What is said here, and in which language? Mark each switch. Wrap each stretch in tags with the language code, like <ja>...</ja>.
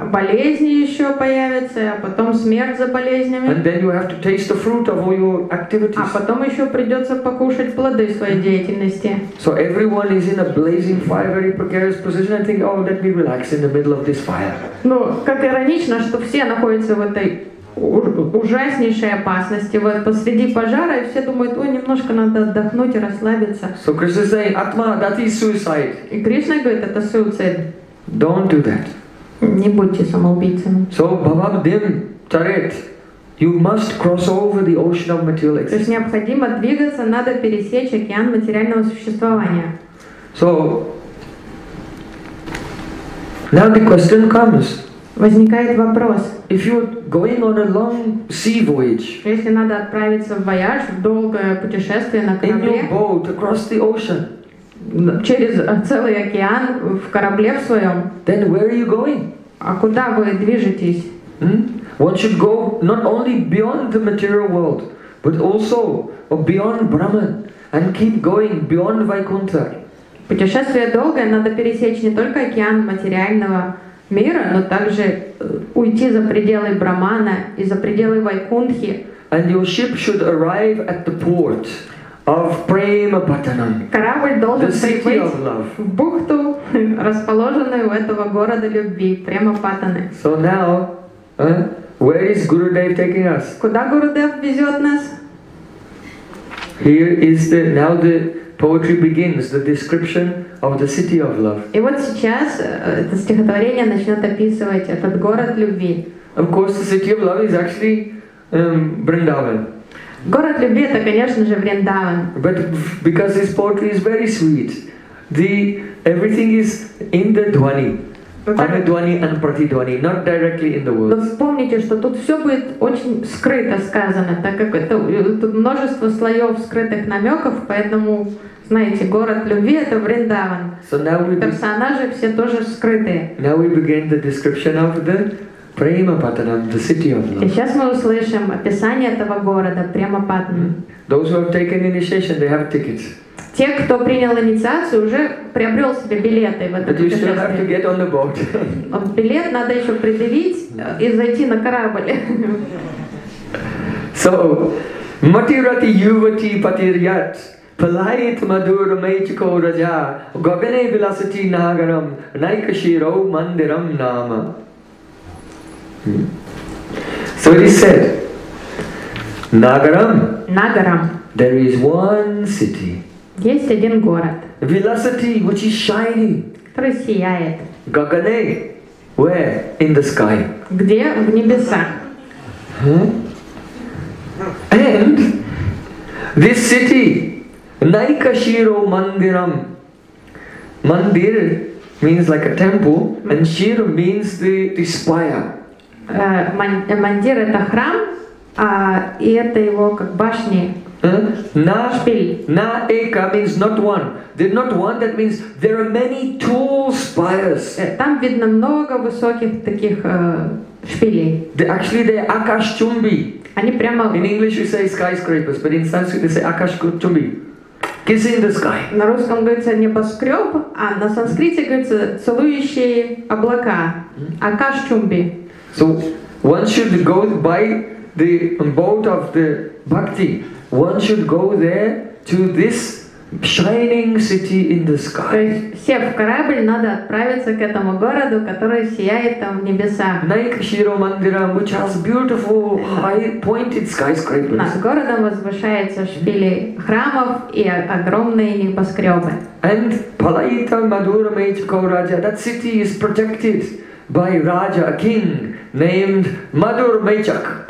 <ru>Болезни еще появятся, а потом смерть за болезнями.</ru> <en>And then you have to taste the fruit of all your activities.</en> <ru>А потом еще придется покушать плоды своей деятельности.</ru> <en>So everyone is in a blazing fire, very precarious position, and think, oh, let me relax in the middle of this fire.</en> <ru>Ну, как иронично, что все находятся в этой ужаснейшей опасности вот посреди пожара, и все думают, ой, немножко надо отдохнуть и расслабиться.</ru> <en>So Krishna says, Atma, that is suicide.</en> <ru>И Кришна говорит, это суицид.</ru> <en>Don't do that.</en> <ru>Не будьте самоубийцами.</ru> <en>So</en> <sa>bhavam dim charet,</sa> <en>you must cross over the ocean of material existence.</en> <ru>То есть необходимо двигаться, надо пересечь океан материального существования.</ru> <en>So now the question comes.</en> <ru>Возникает вопрос.</ru> <en>If you're going on a long sea voyage,</en> <ru>если надо отправиться в вояж, в долгое путешествие на корабле,</ru> <en>in your boat across the ocean,</en> <ru>через целый океан в корабле в своем,</ru> <en>then where are you going?</en> <ru>А куда вы движетесь?</ru> <en>One should go not only beyond the material world, but also beyond Brahman and keep going beyond Vaikuntha.</en> <ru>Путешествие долгое, надо пересечь не только океан материального мира, но также уйти за пределы Брахмана и за пределы Вайкунтхи.</ru> <en>And your ship should arrive at the port of Premapatanam.</en> <ru>Корабль должен прибыть в бухту, расположенную у этого города любви, Премапатаны.</ru> <en>So now, where is Gurudev taking us?</en> <ru>Куда Гурудев везет нас?</ru> <en>Here is the now the poetry begins, the description of the city of love.</en> <ru>И вот сейчас это стихотворение начнет описывать этот город любви.</ru> <en>Of course, the city of love is actually Vrindavan.</en> <ru>Город любви это, конечно же, Вриндаван.</ru> <en>But because this poetry is very sweet, the everything is in the dhwani. Anadvani and Pratidvani, not directly in the words.</en> <ru>Но вспомните, что тут все будет очень скрыто сказано, так как это тут множество слоев скрытых намеков, поэтому, знаете, город любви это Вриндаван.</ru> <en>So now we</en> <ru>персонажи все тоже скрытые.</ru> <en>Now we begin the description of the Premapatanam, the city of love.</en> <ru>И сейчас мы услышим описание этого города Премапатан.</ru> <en>Those who have taken initiation, they have tickets.</en> <ru>Те, кто принял инициацию, уже приобрел себе билеты в это путешествие. Билет надо еще предъявить и зайти на корабль.</ru> <sa>So, matirati yuvati patiryat, palait madura maichiko raja, gabene vilasati nagaram, naikashiro mandiram nama.</sa> <en>So it is said, Nagaram, there is one city.</en> <ru>Есть один город.</ru> <en>Velocity, which is shining.</en> <ru>просияет.</ru> <en>Gagane, where in the sky?</en> <ru>Где в небесах?</ru> <en>Huh? And this city, Naikashiro Mandiram. Mandir means like a temple, and Shiro means the spire.</en> <ru>Мандир это храм, а и это его как башни.</ru> <en>Naeka means not one. They're not one, that means there are many tall spires.</en> <ru>Там видно много высоких таких шпилей.</ru> <en>Actually, they're Akashchumbi.</en> <ru>Они прямо.</ru> <en>In English, we say skyscrapers, but in Sanskrit, they say Akashchumbi. Kissing the sky.</en> <ru>На русском говорится небоскреб, а на санскрите говорится целующие облака.</ru> <sa>Akashchumbi.</sa> <en>So one should go by the boat of the bhakti. One should go there to this shining city in the sky.</en> <ru>То есть, сев в корабль, надо отправиться к этому городу, который сияет там в небесах.</ru> <en>Naikashiro Mandiram, which has beautiful high-pointed skyscrapers.</en> <ru>Над городом возвышаются шпили храмов и огромные небоскребы.</ru> <en>And Palaita Madura Mechiko Raja, that city is protected by Raja, a king named Madur Mechak.</en>